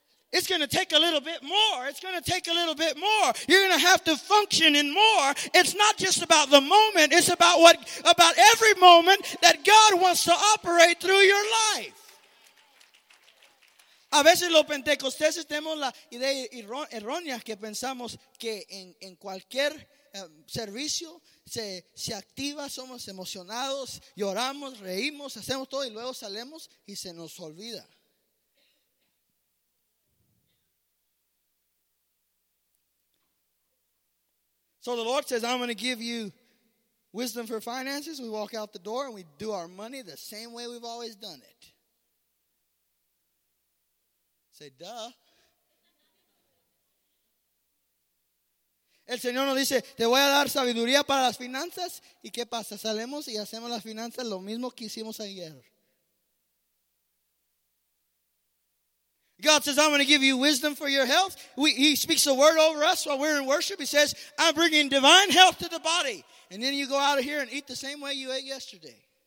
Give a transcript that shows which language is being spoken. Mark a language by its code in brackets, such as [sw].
[en] It's going to take a little bit more. It's going to take a little bit more. You're going to have to function in more. It's not just about the moment. It's about what, about every moment that God wants to operate through your life. [es] A veces los pentecosteses tenemos la idea errónea que pensamos que en cualquier servicio se activa, somos emocionados, lloramos, reímos, hacemos todo y luego salemos y se nos olvida. [en] So the Lord says, I'm going to give you wisdom for finances. We walk out the door and we do our money the same way we've always done it. Say, duh. [es] El Señor nos dice, te voy a dar sabiduría para las finanzas. ¿Y qué pasa? Salemos y hacemos las finanzas lo mismo que hicimos ayer. [en] God says, I'm going to give you wisdom for your health. He speaks a word over us while we're in worship. He says, I'm bringing divine health to the body. And then you go out of here and eat the same way you ate yesterday.